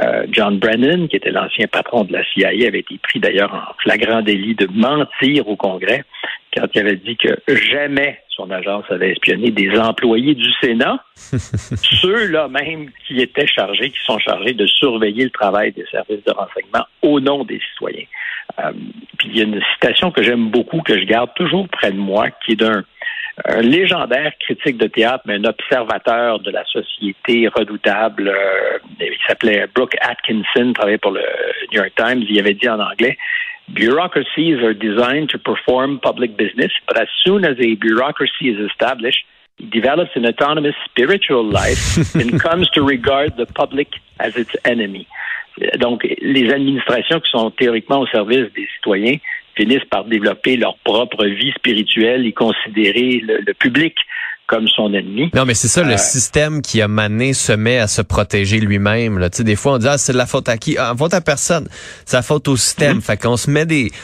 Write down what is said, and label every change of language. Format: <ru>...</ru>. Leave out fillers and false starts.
<fr>John Brennan, qui était l'ancien patron de la CIA, avait été pris d'ailleurs en flagrant délit de mentir au Congrès quand il avait dit que jamais son agence avait espionné des employés du Sénat, ceux-là même qui étaient chargés, qui sont chargés de surveiller le travail des services de renseignement au nom des citoyens. Puis il y a une citation que j'aime beaucoup, que je garde toujours près de moi, qui est d'un légendaire critique de théâtre, mais un observateur de la société redoutable. Il s'appelait Brooke Atkinson, travaillait pour le New York Times. Il avait dit en anglais:</fr> <en>bureaucracies are designed to perform public business, but as soon as a bureaucracy is established, it develops an autonomous spiritual life and comes to regard the public as its enemy.</en> <fr>Donc, les administrations qui sont théoriquement au service des citoyens finissent par développer leur propre vie spirituelle et considérer le public comme son ennemi. Non, mais c'est ça, le système qui a mané se met à se protéger lui-même. Là. Tu sais, des fois, on dit, ah, c'est de la faute à qui? Ah, faute à personne. C'est la faute au système. Mm-hmm. Fait qu'on se met des...</fr>